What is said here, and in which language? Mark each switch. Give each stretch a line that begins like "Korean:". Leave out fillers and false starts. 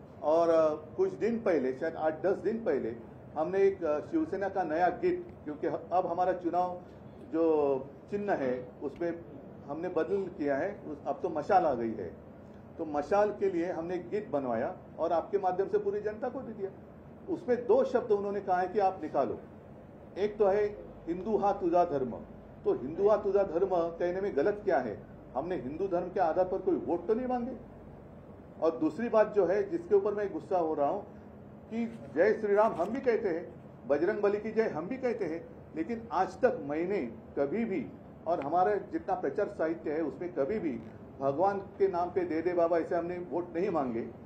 Hindi: और कुछ दिन पहले, शायद 8-10 दिन पहले, हमने एक शिवसेना का नया गीत, क्योंकि अब हमारा चुनाव जो चिन्ह है उसमें हमने बदल किया है, अब तो मशाल आ गई है, तो मशाल के लिए हमने एक गीत बनवाया और आपके माध्यम से पूरी जनता को दे दिया. उसमें दो शब्द उन्होंने कहा है कि आप निकालो. एक तो है
Marathi: हिंदू हा तुझा धर्म.
Hindi: तो
Marathi: हिंदू हा तुझा धर्म
Hindi: कहने में गलत क्या है? हमने हिंदू धर्म के आधार पर कोई वोट तो नहीं मांगे. और दूसरी बात जो है जिसके ऊपर मैं गुस्सा हो रहा हूं कि जय श्री राम हम भी कहते हैं, बजरंग बली की जय हम भी कहते हैं, लेकिन आज तक मैंने कभी भी और हमारे जितना प्रचार साहित्य है उसमें कभी भी भगवान के नाम पे दे दे बाबा ऐसे हमने वोट नहीं मांगे.